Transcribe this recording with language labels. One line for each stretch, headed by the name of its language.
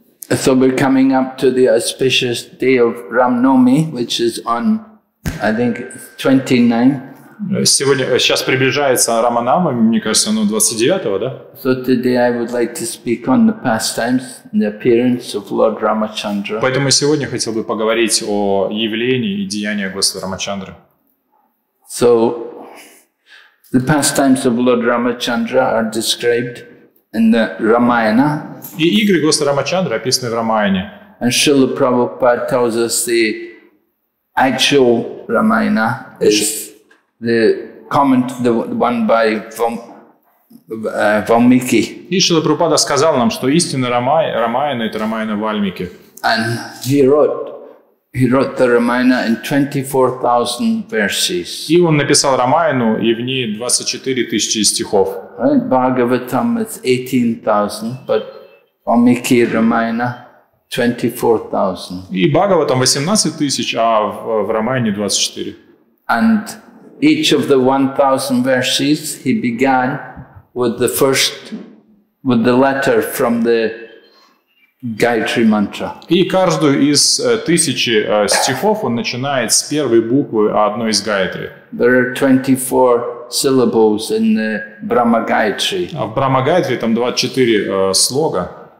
English: So we're coming up to the auspicious day of Ramnomi, which is on, I think, 29th.
Russian: Сегодня, сейчас приближается Раманама, мне кажется, ну, 29-го, да?
English: So today I would like to speak on the pastimes, the appearance of Lord Ramachandra.
Russian: Поэтому сегодня хотел бы поговорить о явлении и деяниях Господа Рамачандры.
English: So, the pastimes of Lord Ramachandra are described in the Ramayana.
Russian: И игры Господа Рамачандры описаны в Рамаяне.
English: And Srila Prabhupada tells us the actual Ramayana is the comment, the one by Valmiki.
Russian: И Шрила Прабхупада сказал нам, что истинная Рамаяна — это Рамаяна Вальмики.
English: And he wrote the Ramayana in 24,000 verses.
Russian: И он написал Рамаяну, и в ней 24 тысячи стихов.
English: Right? Bhagavatam is 18,000, but Valmiki Ramayana 24,000.
Russian: И Бхагаватам 18 тысяч, а в Рамаяне 24.
English: And each of the 1,000 verses he began with the letter from the Gayatri mantra.
Russian: И каждую из тысячи стихов он начинает с первой буквы одной из Гайатри.
English: There are 24 syllables in the Brahma Gayatri.
Russian: А в Брахма Гайатри там 24 слога.